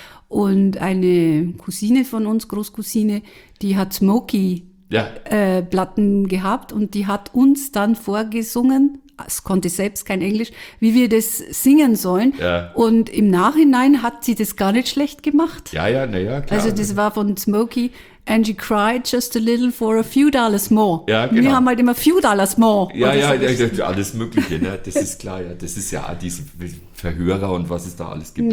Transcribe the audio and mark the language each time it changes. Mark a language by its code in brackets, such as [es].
[de] Und eine Cousine von uns, Großcousine, die hat Smokey-Platten gehabt und die hat uns dann vorgesungen, es konnte selbst kein Englisch, wie wir das singen sollen. Ja. Und im Nachhinein hat sie das gar nicht schlecht gemacht. Ja, naja, klar. Also das war von Smokey, [en] and she cried just a little for a few dollars more. [de] Ja, genau. Wir haben halt immer [en] few dollars more. [de] Ja, alles Mögliche, ne? Das ist klar, das ist ja diese Verhörer und was es da alles gibt.